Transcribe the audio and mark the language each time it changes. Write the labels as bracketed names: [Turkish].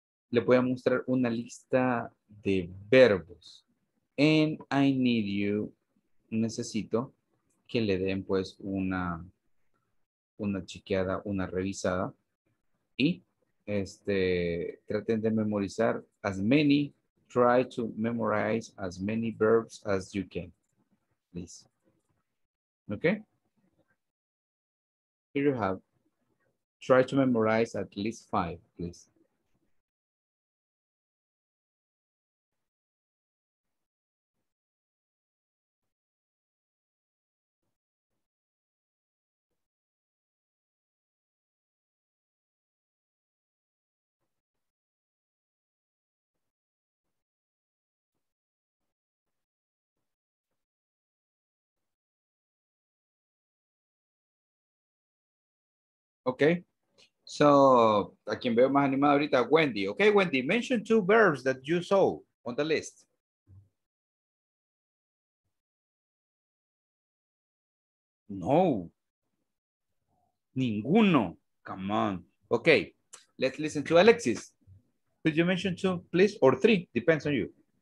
[Spanish] Le voy a mostrar una lista de verbos. [English] And I need you. [Spanish] Necesito que le den pues una chequeada, una revisada. Y traten de memorizar [English] as many. Try to memorize as many verbs as you can. Please. Okay? Here you have. Try to memorize at least 5, please. [Spanish] Okay, so a quien veo más animado ahorita, Wendy. [English] Okay, Wendy, mention 2 verbs that you saw on the list. [Spanish] No, ninguno. [English] Come on. Okay, let's listen to Alexis. Could you mention 2, please, or 3? Depends on you.